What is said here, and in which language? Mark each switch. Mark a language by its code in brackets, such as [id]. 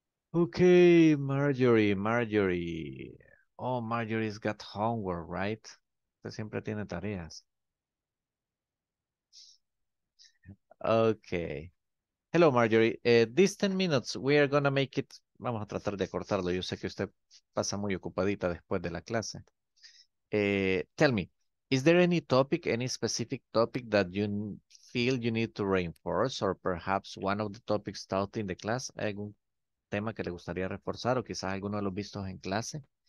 [en] Okay, Marjorie. Oh, Marjorie's got homework, right? [es] Usted siempre tiene tareas. [en] Okay. Hello, Marjorie. These 10 minutes, we are going to make it... [es] Vamos a tratar de cortarlo. Yo sé que usted pasa muy ocupadita después de la clase. [en] Tell me, is there any topic, any specific topic that you feel you need to reinforce or perhaps one of the topics taught in the class? [es] ¿Algún tema que le gustaría reforzar o quizás alguno de los vistos en clase?